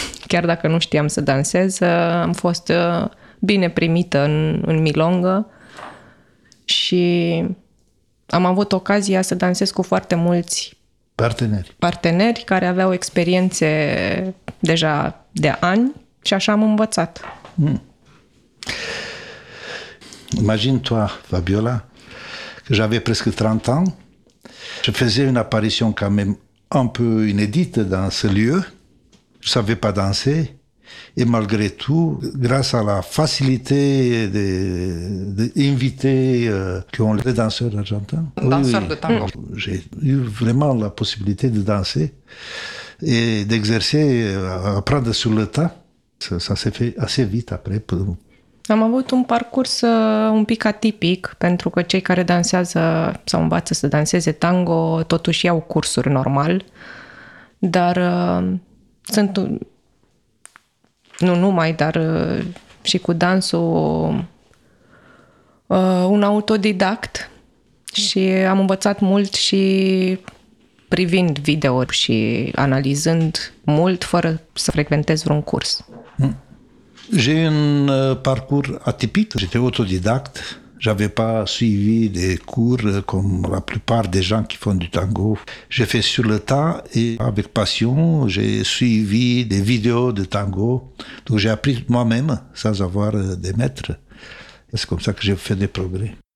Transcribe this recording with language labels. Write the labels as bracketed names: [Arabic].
[Romanian] Chiar dacă nu știam să dansez, am fost bine primită în milongă și am avut ocazia să dansez cu foarte mulți parteneri care aveau experiențe deja de ani și așa am învățat. [French] Imagine toi, Fabiola, que j'avais presque 30 ans, je faisais une apparition quand même un peu inédite dans ce lieu, je ne savais pas danser, et malgré tout, grâce à la facilité d'inviter qui ont les danseurs argentins, j'ai eu vraiment la possibilité de danser et d'exercer, apprendre sur le tas, ça s'est fait assez vite après pour nous. [Romanian] Am avut un parcurs un pic atipic, pentru că cei care dansează sau învață să danseze tango totuși iau cursuri normal, dar sunt, nu numai, dar și cu dansul, un autodidact și am învățat mult și privind videouri și analizând mult fără să frecventez vreun curs. [French] J'ai un parcours atypique. J'étais autodidacte. J'avais pas suivi des cours comme la plupart des gens qui font du tango. J'ai fait sur le tas et avec passion, j'ai suivi des vidéos de tango. Donc j'ai appris moi-même sans avoir des maîtres. Et c'est comme ça que j'ai fait des progrès.